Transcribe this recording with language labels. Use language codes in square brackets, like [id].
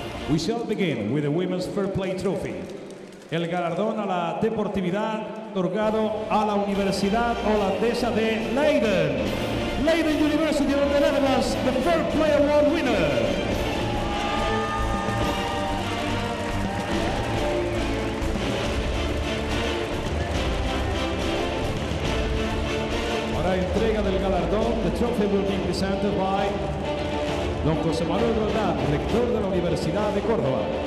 [en] We shall begin with the Women's Fair Play Trophy. [es] El galardón a la deportividad otorgado a la Universidad Holandesa de Leiden. [en] Leiden University of the Netherlands, the Fair Play Award winner. [es] Entrega del galardón, [en] the trophy will be presented by [es] Don José Manuel Roldán, rector de la Universidad de Córdoba.